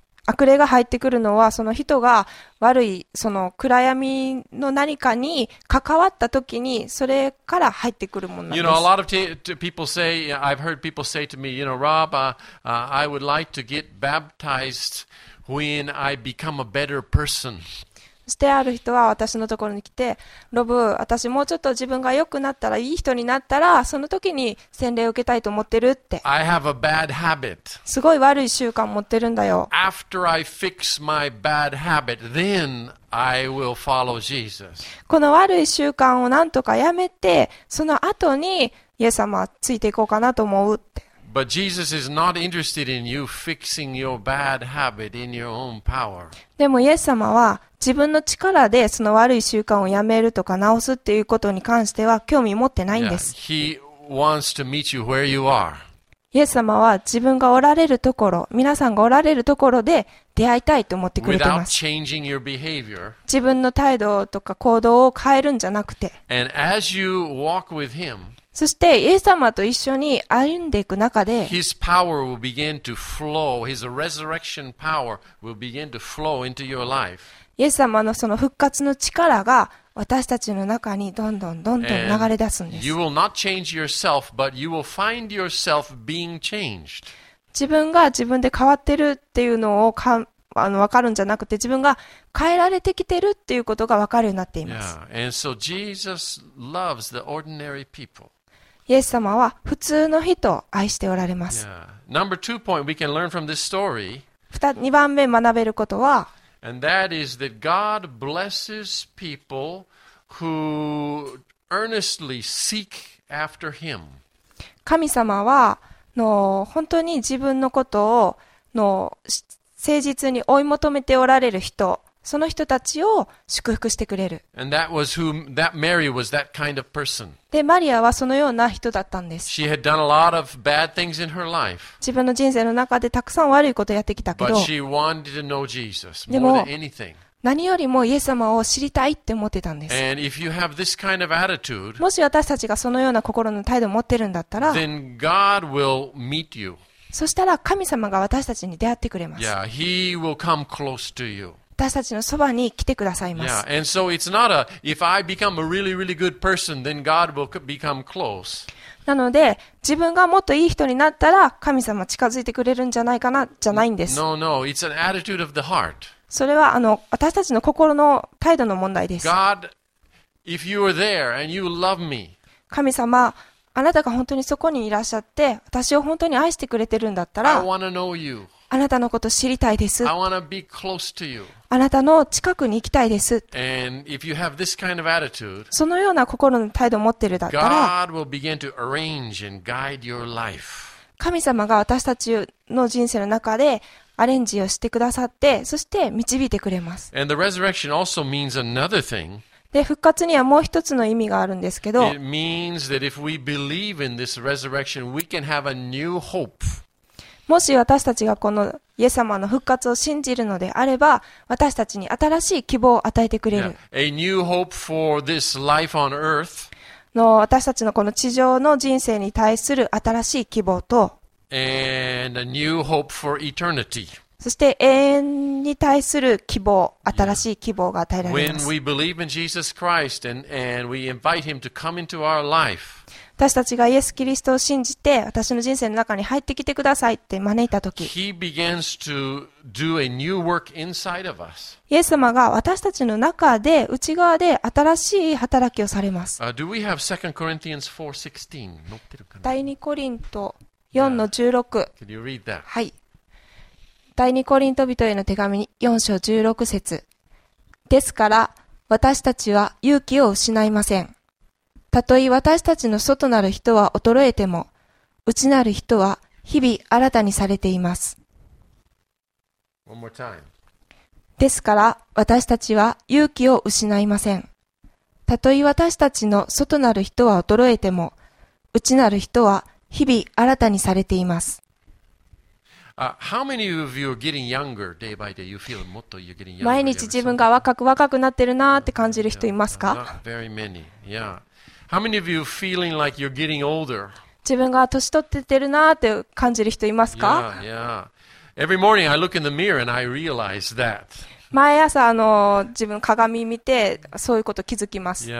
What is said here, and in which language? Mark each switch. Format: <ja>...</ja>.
<ja>悪霊が入ってくるのはその人が悪いその暗闇の何かに関わった時にそれから入ってくるものなんです。</ja> <en>You know, a lot of people say, I've heard people say to me, you know, Rob, I would like to get baptized when I become a better person.</en> <ja>そしてある人は私のところに来て、ロブ、私もうちょっと自分が良くなったら、いい人になったら、その時に洗礼を受けたいと思ってるって。</ja> <en>I have a bad habit.</en> <ja>すごい悪い習慣持ってるんだよ。</ja> <en>After I fix my bad habit, then I will follow Jesus.</en> <ja>この悪い習慣をなんとかやめて、その後にイエス様ついていこうかなと思うって。</ja> <en>But Jesus is not interested in you fixing your bad habit in your own power.</en> <ja>でもイエス様は自分の力でその悪い習慣をやめるとか直すっていうことに関しては興味持ってないんです。</ja> <en>Yeah, he wants to meet you where you are.</en> <ja>イエス様は自分がおられるところ、皆さんがおられるところで出会いたいと思ってくれています。</ja> <en>Without changing your behavior.</en> <ja>自分の態度とか行動を変えるんじゃなくて。</ja> <en>And as you walk with him,</en> <ja>そしてイエス様と一緒に歩んでいく中で、</ja> <en>His power will begin to flow. His resurrection power will begin to flow into your life.</en> <ja>イエス様のその復活の力が私たちの中にどんどんどんどん流れ出すんです。</ja> <en>You will not change yourself, but you will find yourself being changed.</en> <ja>自分が自分で変わってるっていうのをか分かるんじゃなくて、自分が変えられてきてるっていうことが分かるようになっています。</ja> <en>Yeah. And so Jesus loves the ordinary people.</en> <ja>イエス様は普通の人を愛しておられます。</ja> <en>Yeah. Number two point we can learn from this story.</en> <ja>2番目学べることは、</ja> <en>And that is that God blesses people who earnestly seek after Him.</en> <ja>神様はの本当に自分のことをの誠実に追い求めておられる人、その人たちを祝福してくれる。</ja> <en>And that was who, that Mary was that kind of person.</en> <ja>で、マリアはそのような人だったんです。</ja> <en>She had done a lot of bad things in her life.</en> <ja>自分の人生の中でたくさん悪いことをやってきたけど、</ja> <en>But she wanted to know Jesus more than anything.</en> <ja>でも、何よりもイエス様を知りたいって思ってたんです。</ja> <en>And if you have this kind of attitude,</en> <ja>もし私たちがそのような心の態度を持ってるんだったら、</ja> <en>then God will meet you.</en> <ja>そしたら神様が私たちに出会ってくれます。</ja> <en>Yeah, he will come close to you.</en> <ja>私たちのそばに来てくださいます。</ja> <en>Yeah, and so it's not a, if I become a really, really good person, then God will become close.</en> <ja>なので、自分がもっといい人になったら、神様近づいてくれるんじゃないかな、じゃないんです。</ja> <en>No, no, it's an attitude of the heart.</en> <ja>それは、私たちの心の態度の問題です。</ja> <en>God, if you are there and you love me,</en> <ja>神様、あなたが本当にそこにいらっしゃって、私を本当に愛してくれてるんだったら、</ja> <en>I want to know you.</en> <ja>あなたのことを知りたいです。</ja> <en>I wanna be close to you.</en> <ja>あなたの近くに行きたいです。</ja> <en>And if you have this kind of attitude,</en> <ja>そのような心の態度を持っているだったら、</ja> <en>God will begin to arrange and guide your life.</en> <ja>神様が私たちの人生の中でアレンジをしてくださって、そして導いてくれます。</ja> <en>And the resurrection also means another thing.</en> <ja>で、復活にはもう一つの意味があるんですけど、</ja> <en>It means that if we believe in this resurrection, we can have a new hope.</en> <ja>もし私たちがこのイエス様の復活を信じるのであれば、私たちに新しい希望を与えてくれる。</ja> <en>Yeah. A new hope for this life on earth.</en> <ja>の私たちのこの地上の人生に対する新しい希望と、</ja> <en>And a new hope for eternity.</en> <ja>そして永遠に対する希望、新しい希望が与えられます。</ja> <en>When we believe in Jesus Christ and we invite Him to come into our life.</en> <ja>私たちがイエス・キリストを信じて、私の人生の中に入ってきてくださいって招いたとき、</ja> <en>He begins to do a new work inside of us.</en> <ja>イエス様が私たちの中で、内側で新しい働きをされます。</ja> <en>Do we have 2 Corinthians 4:16?</en> <ja>載ってるかな？第二コリント4:16。</ja> <en>Yeah. Can you read that?</en> <ja>はい。第二コリント人への手紙4章16節。ですから、私たちは勇気を失いません。たとえ私たちの外なる人は衰えても、内なる人は日々新たにされています。 One more time. ですから、私たちは勇気を失いません。たとえ私たちの外なる人は衰えても、内なる人は日々新たにされています。</ja> <en>How many of you are getting younger day by day? You feel more you're getting younger.</en> <ja>毎日自分が若くなってるなって感じる人いますか？</ja> <en>Not very many. Yeah. How many of you feeling like you're getting older?</en> <ja>自分が年取っててるなって感じる人いますか？</ja> <en>Yeah, yeah. Every morning I look in the mirror and I realize that.</en> <ja>毎朝自分鏡見てそういうこと気づきます。</ja>